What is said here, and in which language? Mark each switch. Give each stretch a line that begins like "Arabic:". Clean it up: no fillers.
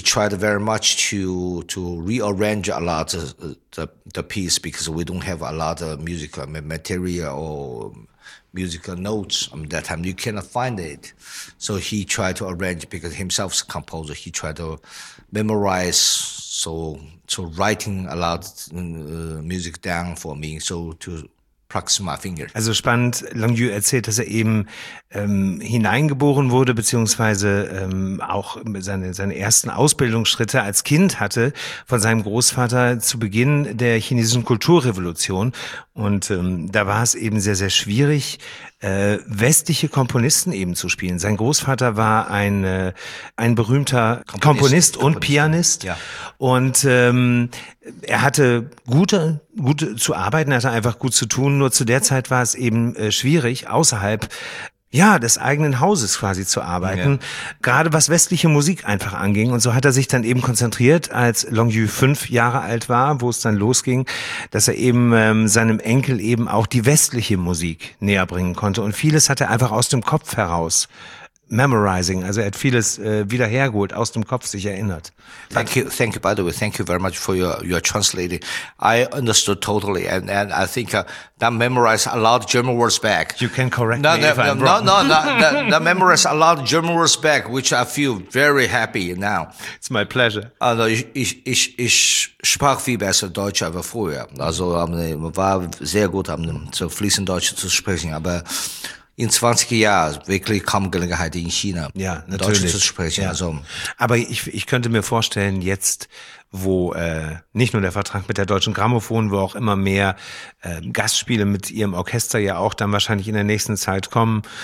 English: he tried very much to rearrange a lot of the piece because we don't have a lot of musical material or musical notes. That time you cannot find it. So he tried to arrange because himself's a composer. He tried to memorize. So writing a lot music down for me. So to practice my finger.
German: Also spannend. Long Yu erzählt, dass er eben hineingeboren wurde, beziehungsweise auch seine ersten Ausbildungsschritte als Kind hatte von seinem Großvater zu Beginn der chinesischen Kulturrevolution. Und da war es eben sehr, sehr schwierig, westliche Komponisten eben zu spielen. Sein Großvater war ein berühmter Komponist und Pianist. Ja. Und er hatte gut zu arbeiten, er hatte einfach gut zu tun. Nur zu der Zeit war es eben schwierig, außerhalb des eigenen Hauses quasi zu arbeiten. Ja. Gerade was westliche Musik einfach anging. Und so hat er sich dann eben konzentriert, als Long Yu 5 Jahre alt war, wo es dann losging, dass er eben seinem Enkel eben auch die westliche Musik näher bringen konnte. Und vieles hat er einfach aus dem Kopf heraus memorizing. Also er hat vieles wiederhergeholt, aus dem Kopf sich erinnert.
English: Thank you, by the way. Thank you very much for your translating. I understood totally. And I think that memorized a lot of German words back. You can correct me if I'm wrong. No. That memorized a lot of German words back, which I feel very happy now. It's my pleasure.
German: Also ich sprach viel besser Deutsch als vorher. Also war sehr gut, so fließend Deutsch zu sprechen. Aber in 20 Jahren wirklich kaum Gelegenheit in China, ja, natürlich, Deutsch zu sprechen. Ja. Also. Aber ich könnte mir vorstellen, jetzt, wo nicht nur der Vertrag mit der Deutschen Grammophon, wo auch immer mehr Gastspiele mit ihrem Orchester ja auch dann wahrscheinlich in der nächsten Zeit kommen.